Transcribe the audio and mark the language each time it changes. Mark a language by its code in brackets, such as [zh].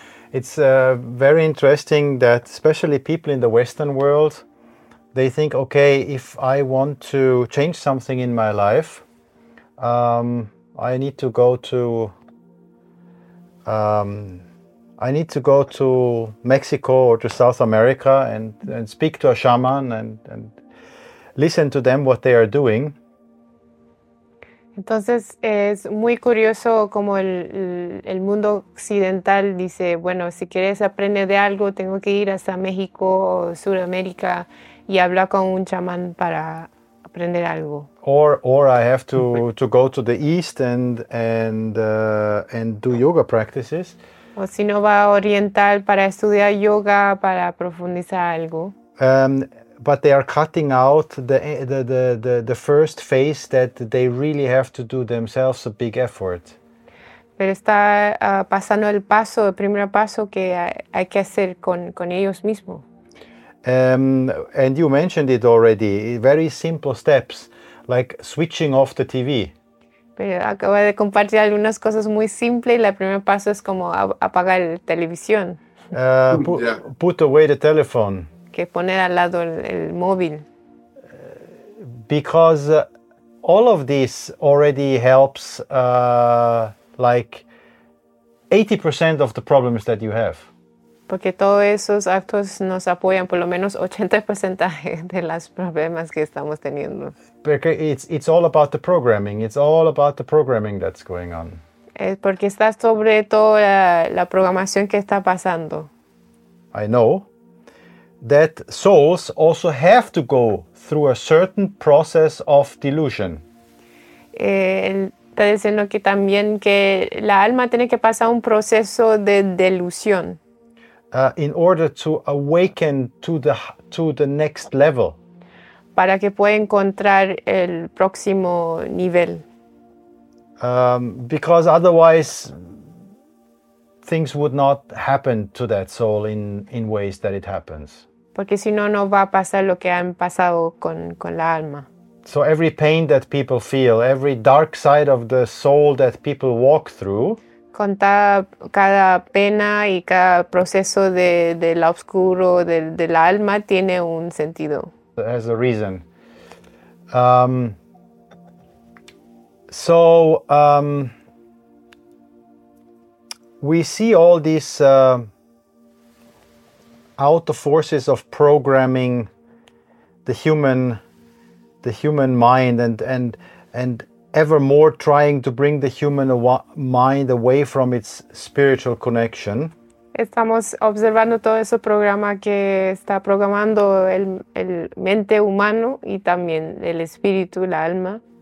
[en] It's very interesting that especially people in the Western world, they think, okay, if I want to change something in my life, I need to go to Mexico or to South America and speak to a shaman and listen to them what they are doing. [es] Entonces es muy curioso como el mundo occidental dice, bueno, si quieres aprender de algo, tengo que ir hasta México o Sudamérica y hablar con un chamán para aprender algo. [en] Or I have to go to the East and do yoga practices. [es] O si no va a Oriental para estudiar yoga, para profundizar algo. [en] But they are cutting out the first phase that they really have to do themselves, a big effort. [es] Pero está pasando el paso, el primer paso que hay que hacer con ellos mismos. [en] And you mentioned it already, very simple steps, like switching off the TV. [es] Pero acabo de compartir algunas cosas muy simples. El primer paso es como apagar la televisión. [en] Put away the telephone. [es] Que poner al lado el móvil. [en] Because all of this already helps like 80% of the problems that you have. [es] Porque todos esos actos nos apoyan por lo menos 80% de los problemas que estamos teniendo. Porque [en] it's all about the programming. It's all about the programming that's going on. [es] Es porque está sobre todo la programación que está pasando. [en] I know that souls also have to go through a certain process of delusion. [es] Está diciendo que también que la alma tiene que pasar un proceso de delusión. [en] In order to awaken to the next level. [es] Para que pueda encontrar el próximo nivel. [en] Because otherwise things would not happen to that soul in ways that it happens. [es] Porque si no, no va a pasar lo que han pasado con la alma. [en] So every pain that people feel, every dark side of the soul that people walk through, [es] conta cada pena y cada proceso del oscuro del alma tiene un sentido. [en] Has a reason. So we see all these outer forces of programming the human mind and ever more trying to bring the human mind away from its spiritual connection. [es] Estamos observando todo ese programa que está programando el mente humano y también el espíritu, la alma.